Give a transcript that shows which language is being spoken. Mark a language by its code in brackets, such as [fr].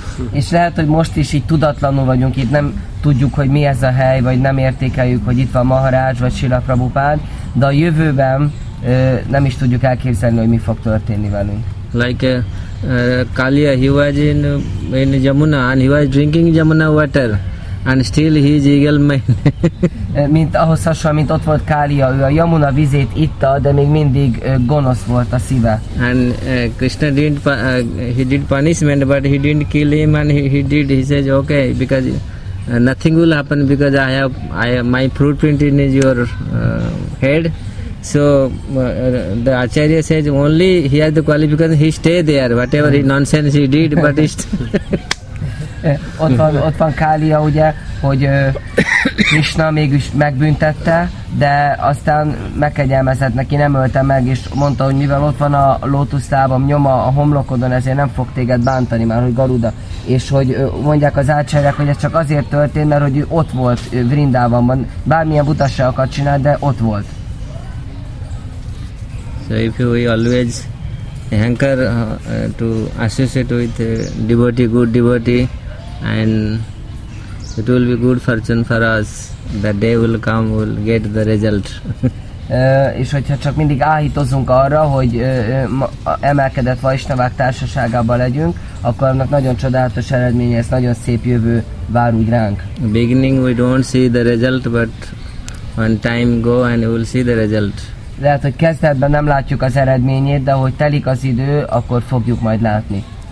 [hu] És lehet, hogy most is így tudatlanul vagyunk itt, nem tudjuk, hogy mi ez a hely, vagy nem értékeljük, hogy itt van Maharaj vagy Srila Prabhupád, de a jövőben nem is tudjuk elképzelni, hogy mi fog történni velünk. [en] Like Kaliya, he was in Jamuna, and he was drinking Jamuna water, and still he is eagle mind. [hu] Mint ahhoz hasonlóan, mint ott volt Kaliya, ő a Jamuna vizét itta, de még mindig gonosz volt a szíve. [en] And Krishna didn't he did punishment, but he didn't kill him, and he says okay, because nothing will happen, because I have my footprint in your head. So the Acharya says only he has the qualification, he stay there, whatever nonsense he did, but he's [hu] ott van Kaliya, ugye, hogy Krishna mégis megbüntette, de aztán megkegyelmezett neki, nem ölte meg, és mondta, hogy mivel ott van a lótuszlábam nyoma a homlokodon, ezért nem fog téged bántani már, hogy Garuda. És hogy mondják az ácsárják, hogy ez csak azért történt, mert hogy ő ott volt Vrindávanban. Bármilyen butaságokat csinált, de ott volt. [en] So if you always hanker to associate with devotee, good devotee, and it will be good fortune for us. The day will come, we'll get the result. [hu] És hogyha csak mindig áhítozunk arra, hogy emelkedett Vaisnavák társaságában legyünk, akkor annak nagyon csodálatos eredménye, ez nagyon szép jövő vár úgy ránk. [en] The beginning we don't see the result, but when time go and we'll see the result. [hu] Lehet, hogy kezdetben nem látjuk az eredményét, de hogy telik az idő, akkor fogjuk majd látni.